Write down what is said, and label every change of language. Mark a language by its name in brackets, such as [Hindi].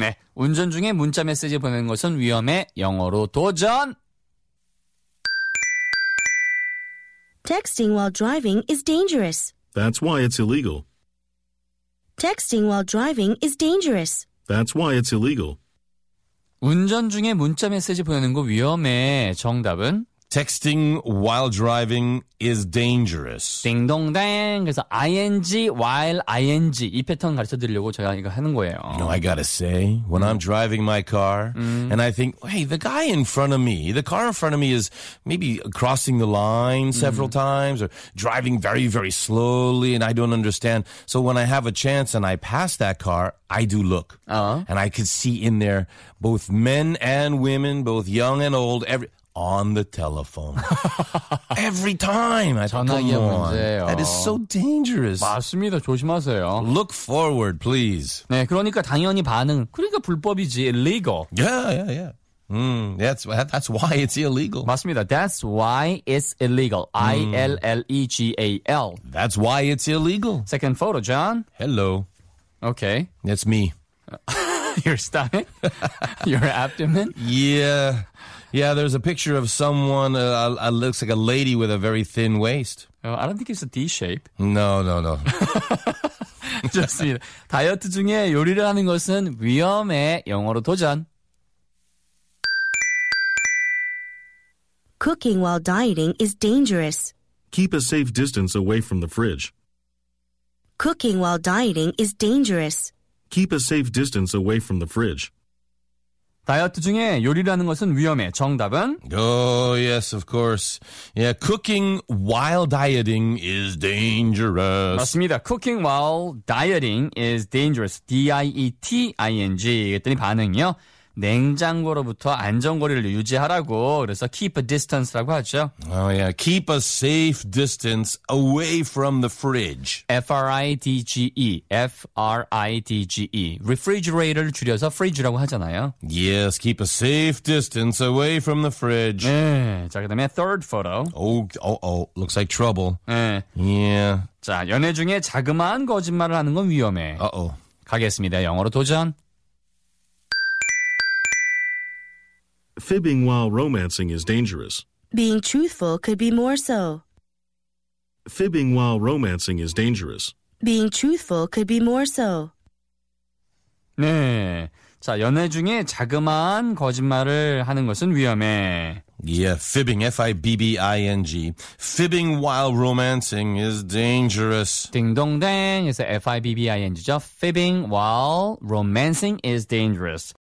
[Korean] 네, 운전 중에 문자 메시지 보내는 것은 위험해. 영어로 도전! [English] Texting while driving is dangerous. That's why it's illegal. Texting while driving is dangerous. That's why it's illegal. [Korean] 운전 중에 문자 메시지 보내는 거 위험해. 정답은? [English] Texting while driving is dangerous. [Korean] 딩동댕. 그래서 [English] ing while ing [Korean] 이 패턴 가르쳐드리려고 제가 이거 하는 거예요. [English] You know, I gotta say, when I'm driving my car, and I think, hey, the guy in front of me, the car in front of me is maybe crossing the line several times or driving very, very slowly, and I don't understand. So when I have a chance and I pass that car, I do look. And I could see in there both men and women, both young and old, on the telephone. Every time. I thought, come on. [Korean] 문제예요. [English] That is so dangerous. [Korean] 맞습니다. 조심하세요. [English] Look forward, please. [Korean] 네, 그러니까 당연히 반응. 그러니까 불법이지. Illegal. [English] Yeah. That's why it's illegal. [Korean] 맞습니다. [English] That's why it's illegal. I-L-L-E-G-A-L. That's why it's illegal. Second photo, John. Hello. Okay. That's me. Your stomach? Your abdomen? Yeah, there's a picture of someone, looks like a lady with a very thin waist. Oh, I don't think it's a D-shape. No. [Korean] 좋습니다. 다이어트 중에 요리를 하는 것은 위험해. 영어로 도전. [English] Cooking while dieting is dangerous. Keep a safe distance away from the fridge. Cooking while dieting is dangerous. Keep a safe distance away from the fridge. [Korean] 다이어트 중에 요리라는 것은 위험해. 정답은? [English] Oh, yes, of course. Yeah, cooking while dieting is dangerous. [Korean] 맞습니다. [English] Cooking while dieting is dangerous. [Korean] D-I-E-T-I-N-G. 그랬더니 반응이요. 냉장고로부터 안전거리를 유지하라고. 그래서 [English] keep a distance [Korean] 라고 하죠. [English] Oh, yeah. Keep a safe distance away from the fridge. F-R-I-D-G-E. F-R-I-D-G-E. [Korean] Refrigerator를 줄여서 fridge라고 하잖아요. [English] Yes. Keep a safe distance away from the fridge. [Korean] 네. 자, 그 다음에 [English] third photo. Oh. Looks like trouble. [Korean] 네. [English] Yeah. [Korean] 자, 연애 중에 자그마한 거짓말을 하는 건 위험해. Uh-oh. 가겠습니다. 영어로 도전. [English] Fibbing while romancing is dangerous. Being truthful could be more so. Fibbing while romancing is dangerous. Being truthful could be more so. [Korean] 네. 자, 연애 중에 자그마한 거짓말을 하는 것은 위험해. [English] Yeah, fibbing, F-I-B-B-I-N-G. Fibbing while romancing is dangerous. [Korean] 딩동댕. [English] It's F-I-B-B-I-N-G죠. Fibbing while romancing is dangerous.